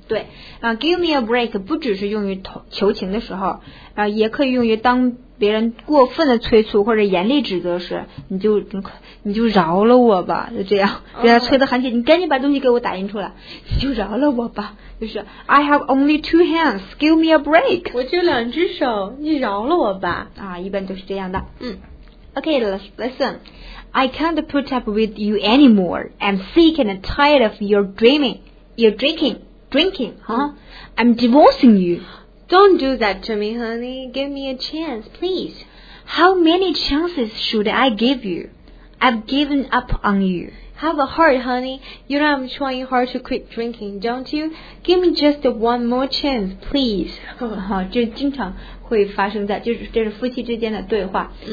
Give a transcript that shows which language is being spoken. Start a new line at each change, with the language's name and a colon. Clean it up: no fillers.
Chinese: 对，give me a break 不只是用于求情的时候，也可以用于当别人过分的催促或者严厉指责时，你就饶了我吧，就这样，给他催得很紧，你赶紧把东西给我打印出来，你就饶了我吧，就是
English: I have only two hands, give me a break.
Chinese: 我就两只手，你饶了我吧。啊，一般都是这样的。嗯
English: ，Okay, listen, I can't put up with you anymore. I'm sick and tired of your dreaming, your drinking, huh? I'm divorcing you. Don't do that to me, honey. Give me a chance, please. How many chances should I give you? I've given up on you. Have a heart, honey. You know I'm trying hard to quit drinking, don't you? Give me just one more chance, please.
Chinese: 这经常会发生在，就是这是夫妻之间的对话。